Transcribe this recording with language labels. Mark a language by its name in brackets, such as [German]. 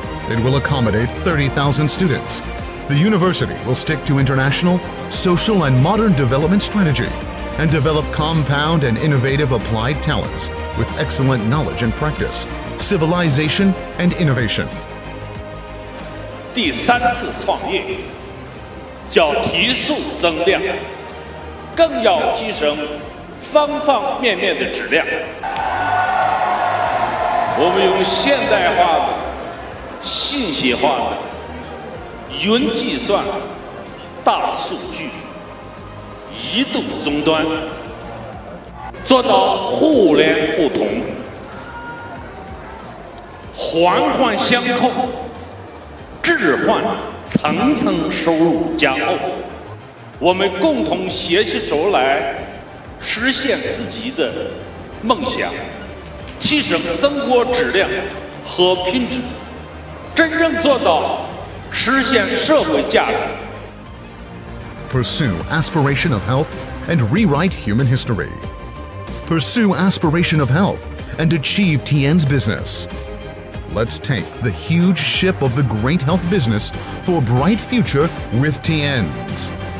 [English] It will accommodate 30,000 students. The university will stick to international, social and modern development strategy and develop compound and innovative applied talents with excellent knowledge and practice, civilization and innovation. [Chinese] 第三次创业, 叫提速增量, 更要提升方方面面的质量。我们用现代化的, 信息化的, 云计算, 大数据, 移动终端, 做到互联互通, 环环相扣, 置换层层收入加厚, 我们共同携起手来, 实现自己的梦想, 提升生活质量和品质, 真正做到, 实现社会价值。 [English] Pursue aspiration of health and rewrite human history. Pursue aspiration of health and achieve Tiens business. Let's take the huge ship of the great health business for a bright future with Tiens.